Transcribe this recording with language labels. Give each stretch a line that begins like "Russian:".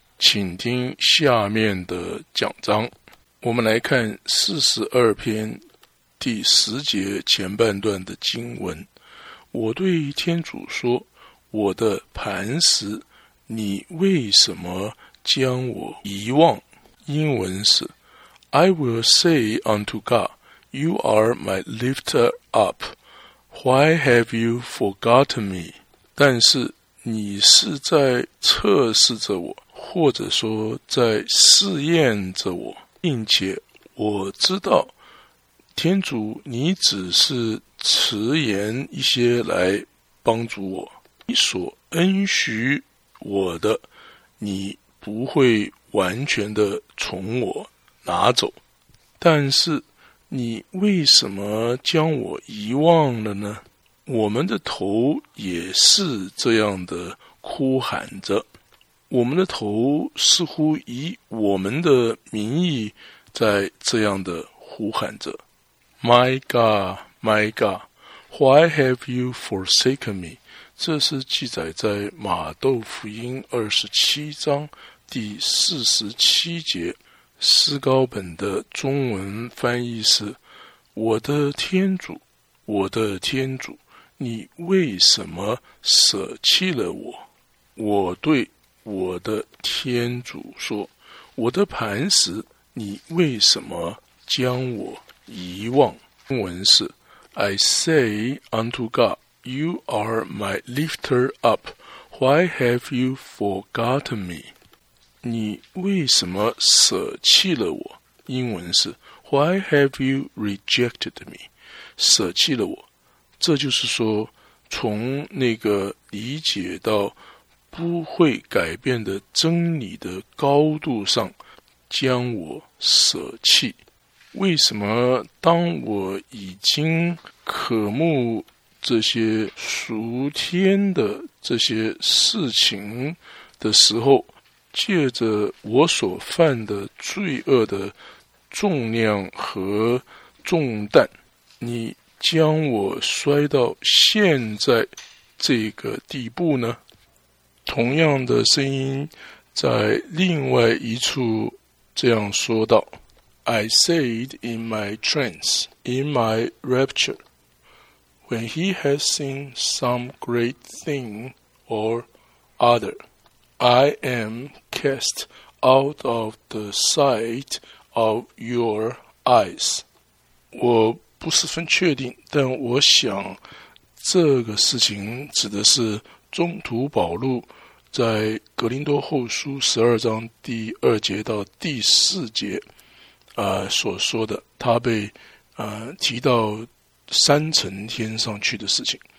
Chinese: 请听下面的讲章。我们来看42篇第10节前半段的经文。我对天主说，我的磐石，你为什么将我遗忘？英文是
English: I will say unto God, you are my lifter up, why have you forgotten me?
Chinese: 但是你是在测试着我，或者说在试验着我，并且我知道天主，你只是迟延一些来帮助我。你所恩许我的，你不会完全的从我拿走。但是你为什么将我遗忘了呢？我们的头也是这样的哭喊着，我们的头似乎以我们的名义在这样的呼喊着。
English: My God, my God, why have you forsaken me?
Chinese: 这是记载在马窦福音27章第47节。诗高本的中文翻译是，我的天主，我的天主，你为什么舍弃了我？我对我的天主说，我的磐石，你为什么将我遗忘？英文是
English: I say unto God, you are my lifter up, why have you forgotten me?
Chinese: 你为什么舍弃了我？英文是
English: Why have you rejected me?
Chinese: 舍弃了我。这就是说，从那个理解到不会改变的真理的高度上将我舍弃。为什么当我已经渴慕这些属天的这些事情的时候，借着我所犯的罪恶的重量和重担，你将我摔到现在这个地步呢？同样的声音在另外一处这样说道，
English: I said in my trance, in my rapture, when he has seen some great thing or other, I am cast out of the sight of your eyes.
Chinese: 我不十分确定，但我想这个事情指的是中途保禄在格林多后书12章第2节到第4节。所说的他被提到三层天上去的事情。